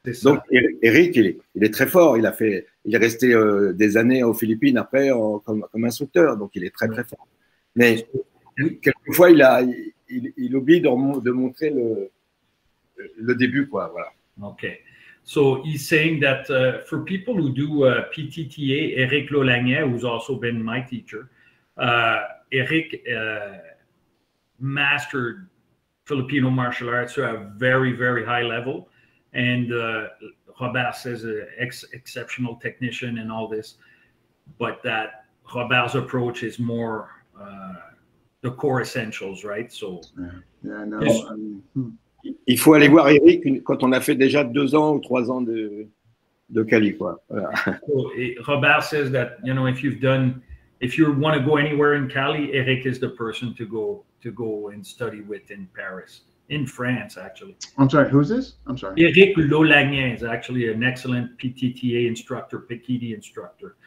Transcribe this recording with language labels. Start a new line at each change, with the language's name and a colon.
French: Donc, Eric, il est très fort. Il est resté des années aux Philippines après comme instructeur. Donc, il est très, très fort. Mais quelquefois, il oublie de montrer le début, quoi. Voilà.
English: OK. So he's saying that for people who do PTTA, Eric Lolagnet, who's also been my teacher, Eric mastered Filipino martial arts to a very, very high level. And Robert says an exceptional technician and all this, but that Robert's approach is more the core essentials, right? So. Yeah, I know.
French: Il faut aller voir Eric quand on a fait déjà 2 ans ou 3 ans de Cali, quoi. Voilà.
English: So, Robert says that, you know, if you want to go anywhere in Cali, Eric is the person to go and study with in Paris, in France, actually. I'm sorry, who's this? I'm sorry. Eric Lolagnet is actually an excellent PTTA instructor, PKD instructor.